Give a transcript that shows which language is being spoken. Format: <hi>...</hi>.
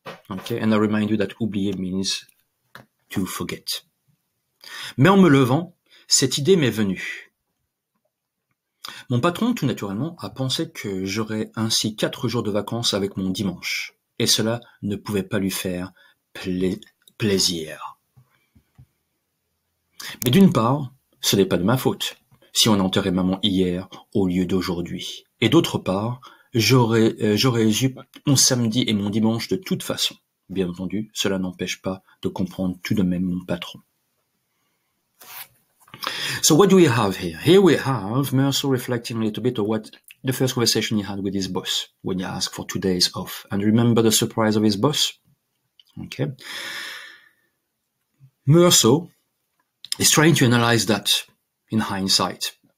<en>Okay, and I remind you that oublier means to forget.</en> <fr>Mais en me levant, cette idée m'est venue. Mon patron, tout naturellement, a pensé que j'aurais ainsi 4 jours de vacances avec mon dimanche. Et cela ne pouvait pas lui faire plaisir. Mais d'une part, ce n'est pas de ma faute si on enterrait maman hier au lieu d'aujourd'hui. Et d'autre part, j'aurais eu mon samedi et mon dimanche de toute façon. Bien entendu, cela n'empêche pas de comprendre tout de même mon patron.</fr> <en>So what do we have here? Here we have Meursault reflecting a little bit on what the first conversation he had with his boss when he asked for 2 days off. And remember the surprise of his boss? Okay. Meursault is trying to analyze that in hindsight.</en>